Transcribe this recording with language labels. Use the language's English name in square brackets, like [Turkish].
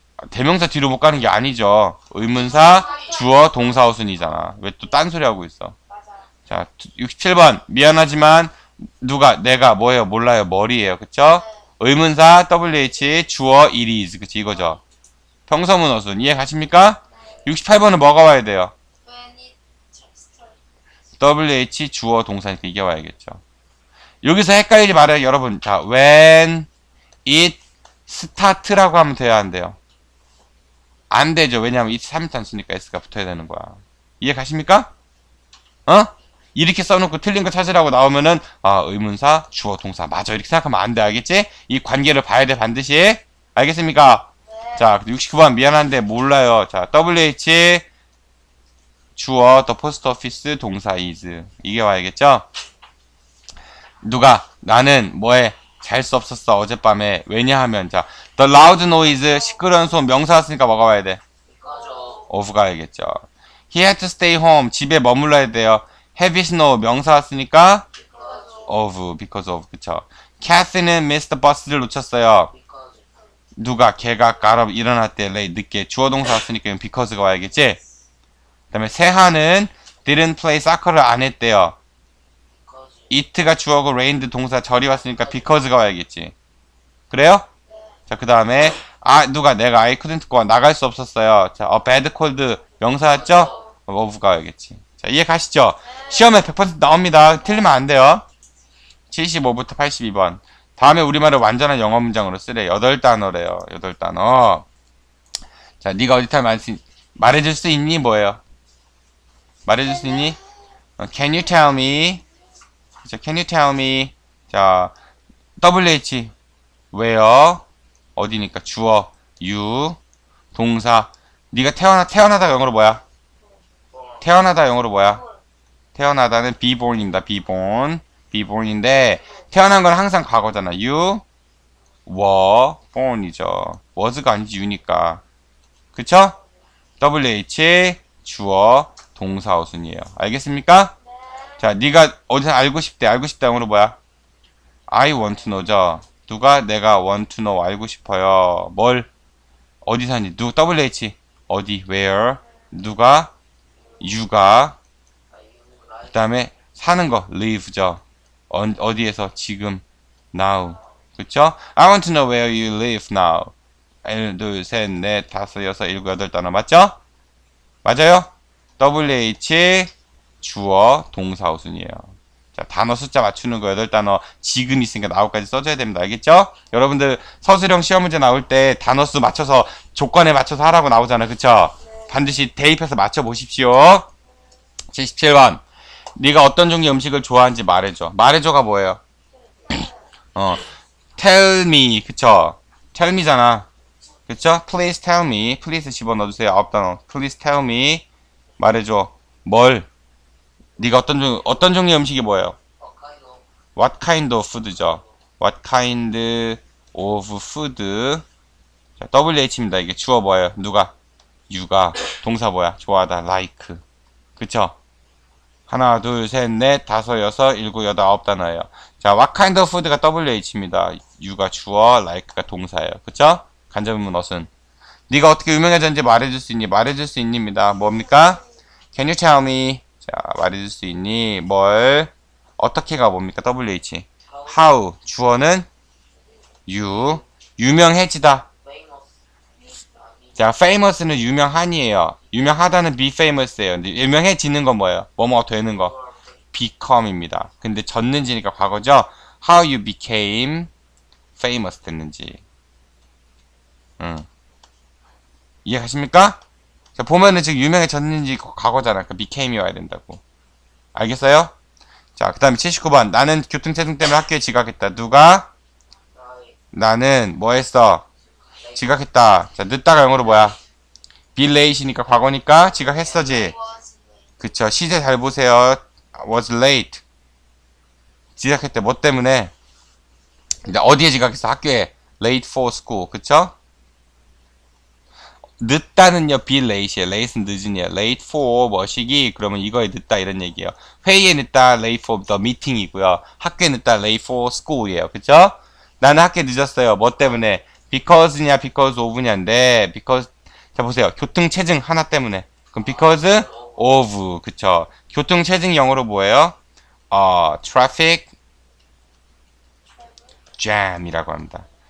[Korean] 대명사 뒤로 못 가는 게 아니죠. 의문사, 주어, 동사 어순이잖아. 왜또 딴소리 하고 있어? 자, 67번. 미안하지만 누가 내가 뭐예요? 몰라요. 머리예요. 그쵸? [English] 의문사 WH 주어 it is. [Korean] 그치? 이거죠. 평소문 어순 이해 가십니까? 68번은 뭐가 와야 돼요? WH 주어 동사니까 이게 와야겠죠. 여기서 헷갈리지 말아요, 여러분. 자, [English] when it start [Korean] 라고 하면 돼야 안 돼요? 안 되죠. 왜냐하면 it 3단 쓰니까 s가 붙어야 되는 거야. 이해 가십니까? 어? 이렇게 써놓고 틀린 거 찾으라고 나오면은 아, 의문사 주어 동사 맞아 이렇게 생각하면 안 돼, 알겠지? 이 관계를 봐야 돼 반드시. 알겠습니까? 자, 69번, 미안한데, 몰라요. [English] 자, WH, 주어, the post office, 동사, is. [Korean] 이게 와야겠죠? 누가, 나는, 뭐해, 잘수 없었어, 어젯밤에. 왜냐하면, 자, the loud noise, 시끄러운 소음, 명사 왔으니까 뭐가 와야 돼? of 가야겠죠. [English] he had to stay home, [Korean] 집에 머물러야 돼요. [English] heavy snow, 명사 왔으니까 of, because of, 그쵸? [Korean] Kathy는 Mr. Bus를 놓쳤어요. 누가 걔가 got up 일어났대 late 늦게 주어 동사 왔으니까 because가 와야겠지? 그다음에 세하는 [English] didn't play soccer [Korean] 를 안 했대요. it가 주어고 rained 동사 절이 왔으니까 because가 와야겠지. 그래요? 자, 그다음에 아 누가 내가 [English] I couldn't go [Korean] 나갈 수 없었어요. 자, a bad cold 명사 왔죠? of가 와야겠지. 자, 이해 가시죠? 시험에 100% 나옵니다. 틀리면 안 돼요. 75부터 82번. 다음에 우리말을 완전한 영어 문장으로 쓰래. 8단어래요. 8단어. 자, 네가 어디다 말해줄 수 있니? 뭐예요? 말해줄 수 있니? [English] Can you tell me? 자, Can you tell me? 자, WH. Where? 어디니까? 주어. You. 동사. [Korean] 네가 태어나다가 영어로 뭐야? 태어나다 영어로 뭐야? 태어나다는 be born입니다. [English] be born. [Korean] Be born인데 태어난 건 항상 과거잖아. [English] You were born이죠. [Korean] Was가 아니지 you니까. 그쵸? WH 주어 동사 어순이에요. 알겠습니까? 자, 네가 어디서 알고 싶대. 알고 싶다 영어로 뭐야? [English] I want to know [Korean] 죠. 누가 내가 [English] want to know [Korean] 알고 싶어요. 뭘? 어디서니? 누 WH 어디? Where? 누가? You가? 그다음에 사는 거 live죠. 어디에서 지금 now 그쵸? [English] I want to know where you live now. [Korean] 1, 2, 3, 4, 5, 6, 7, 8 단어 맞죠? 맞아요? WH 주어 동사 우순이에요. 자, 단어 숫자 맞추는 거 8 단어 지금 있으니까 now까지 써줘야 됩니다. 알겠죠? 여러분들 서술형 시험 문제 나올 때 단어 수 맞춰서 조건에 맞춰서 하라고 나오잖아. 그쵸? 반드시 대입해서 맞춰보십시오. 77번 네가 어떤 종류의 음식을 좋아하는지 말해줘. 말해줘가 뭐예요? [English] tell me, 그쵸? tell me잖아. 그쵸? please tell me. [Korean] please 집어넣어주세요. 아홉 단어. please tell me. 말해줘. 뭘? 네가 어떤 종류의 음식이 뭐예요? [English] what kind of food [Korean] 죠? what kind of food? 자, WH입니다. 이게 주어 뭐예요? 누가? you가. 동사 뭐야? 좋아하다. like. 그쵸? 하나, 둘, 셋, 넷, 다섯, 여섯, 일곱, 여덟, 아홉 단어예요. 자, what kind of food가 WH입니다. you가 주어, like가 동사예요. 그쵸? 간접문 어순. 네가 어떻게 유명해졌는지 말해줄 수 있니? 말해줄 수 있니입니다. 뭡니까? [English] Can you tell me? [Korean] 자, 말해줄 수 있니? 뭘? 어떻게가 뭡니까? WH. How? 주어는? you. 유명해지다. 자, famous는 유명한이에요. 유명하다는 be famous예요. 근데 유명해지는 건 뭐예요? 뭐뭐가 되는 거? become입니다. 근데 졌는지니까 과거죠? [English] How you became famous [Korean] 됐는지. 이해가십니까? 자, 보면은 지금 유명해졌는지 과거잖아. 그러니까 became이 와야 된다고. 알겠어요? 자, 그 다음에 79번. 나는 교통체증 때문에 학교에 지각했다. 누가? 나는 뭐 했어? 지각했다. 자, 늦다가 영어로 뭐야? be late이니까 과거니까 지각했어지. 그쵸. 시제 잘 보세요. was late. 지각했대. 뭐 때문에? 근데 어디에 지각했어? 학교에. [English] late for school. [Korean] 그쵸? 늦다는요. be late이에요. late는 늦은이에요. [English] late for 뭐시기. [Korean] 그러면 이거에 늦다 이런 얘기예요. 회의에 늦다. [English] late for the meeting이고요. [Korean] 학교에 늦다. [English] late for school이에요. [Korean] 그쵸? 나는 학교에 늦었어요. 뭐 때문에? because냐 because of냐인데 because 자 보세요. 교통체증 하나 때문에 그럼 because of 그쵸. 교통체증 영어로 뭐예요? traffic jam이라고 합니다.